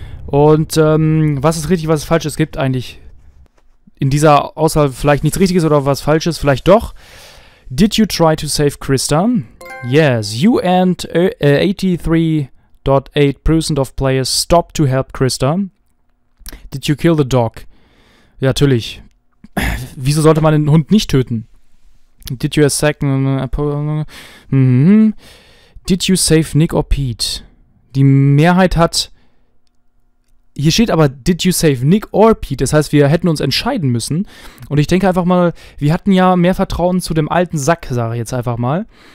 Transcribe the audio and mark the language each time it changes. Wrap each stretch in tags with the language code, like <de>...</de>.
<de>Und was ist richtig, was ist falsch? Es gibt eigentlich in dieser Auswahl vielleicht nichts Richtiges oder was Falsches. Vielleicht doch.</de> <en>Did you try to save Krista? Yes, you and 83.8% of players stopped to help Krista. Did you kill the dog?</en> <de>Ja, natürlich. Wieso sollte man den Hund nicht töten?</de> <en>Did you a second... Did you save Nick or Pete?</en> <de>Die Mehrheit hat... Hier steht aber,</de> <en>did you save Nick or Pete?</en> <de>Das heißt, wir hätten uns entscheiden müssen. Und ich denke einfach mal, wir hatten ja mehr Vertrauen zu dem alten Sack, sage ich jetzt einfach mal.</de>